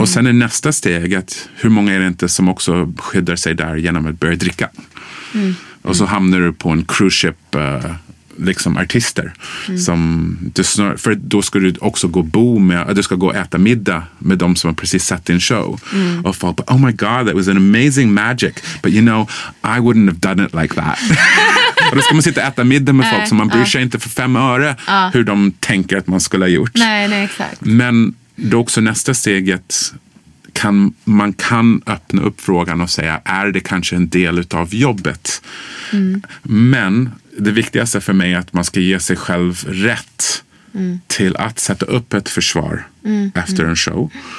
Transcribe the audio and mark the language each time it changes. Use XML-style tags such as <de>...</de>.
<sv>Och sen är nästa steg att hur många är det inte som också skyddar sig där genom att börja dricka? Mm. Och så hamnar du på en cruise ship, liksom artister. Mm. Som du snar, för då ska du också gå bo med, du ska gå och äta middag med dem som har precis sett din show. Mm. Och folk bara,</sv> <en>oh my god, that was an amazing magic. But you know, I wouldn't have done it like that.</en> <sv>Och då ska man sitta och äta middag med folk som man bryr sig inte för fem öre hur de tänker att man skulle ha gjort. Nej, exakt. Men då också nästa steget, man kan öppna upp frågan och säga, är det kanske en del av jobbet? Mm. Men det viktigaste för mig är att man ska ge sig själv rätt till att sätta upp ett försvar efter en show.</sv>